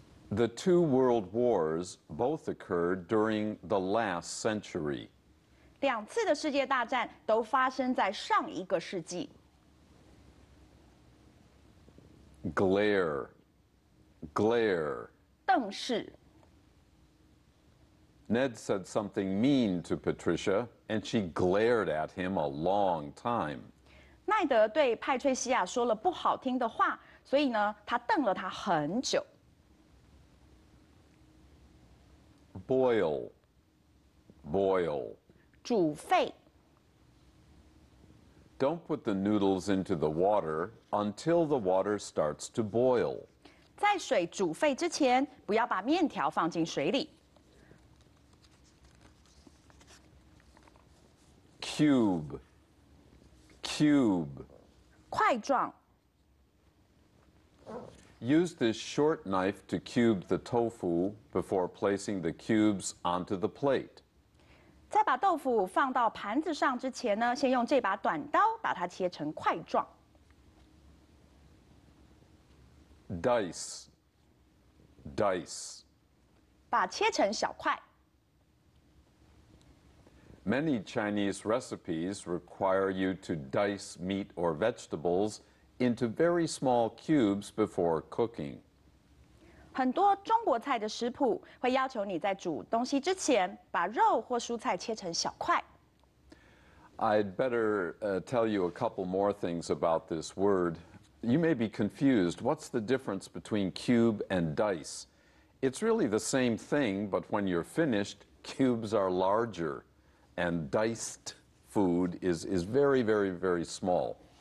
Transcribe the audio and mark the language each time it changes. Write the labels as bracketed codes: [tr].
[en] The two world wars both occurred during the last century. [zh] 两次的世界大战都发生在上一个世纪。 [en] Glare, glare. [zh] 瞪视。 [en] Ned said something mean to Patricia, and she glared at him a long time. [zh] 奈德对派翠西亚说了不好听的话，所以呢，他瞪了他很久。 [en] Boil, boil. [zh] 煮沸。 [en] Don't put the noodles into the water until the water starts to boil. [zh] 在水煮沸之前，不要把面条放进水里。 [en] Cube, cube. [zh] 块状。 [en] Use this short knife to cube the tofu before placing the cubes onto the plate. [zh] 在把豆腐放到盘子上之前呢，先用这把短刀把它切成块状。 [en] Dice, dice. [zh] 把切成小块。 [en] Many Chinese recipes require you to dice meat or vegetables into very small cubes before cooking. [zh] 很多中国菜的食谱会要求你在煮东西之前把肉或蔬菜切成小块。 [en] I'd better tell you a couple more things about this word. You may be confused. What's the difference between cube and dice? It's really the same thing, but when you're finished, cubes are larger. And diced food is very, very, very small.